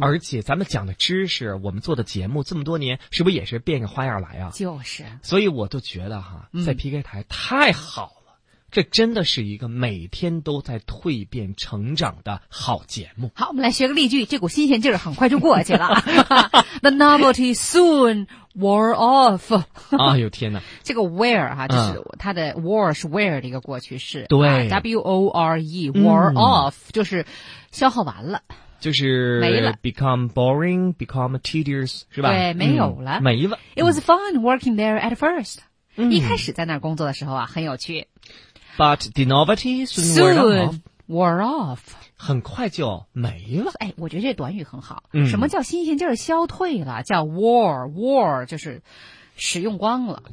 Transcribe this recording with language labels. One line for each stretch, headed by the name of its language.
Chinese: 而且咱们讲的知识，我们做的节目这么多年，是不是也是变着花样来啊？就是，所以我就觉得哈、啊，在 PK 台太好了，这真的是一个每天都在蜕变成长的好节目。好，我们来学个例句，这股新鲜劲儿很快就过去了。
English: The novelty soon wore off.
Chinese: 哎呦天哪。这个 wear 啊，就是它的 wore 是 wear 的一个过去式。对。啊、
English: W-O-R-E, wore off,
Chinese: 就是消耗完了。就是没了
English: ，become boring, become tedious,
Chinese: 是吧？对，没有了，没了。
English: It was fun working there at first.、
Chinese: 一开始在那儿工作的时候啊，很有趣。
English: But the novelty soon wore off.
Chinese: 很快就没了。哎，我觉得这短语很好。什么叫新鲜劲儿消退了？叫 wore, wore 就是使用光了。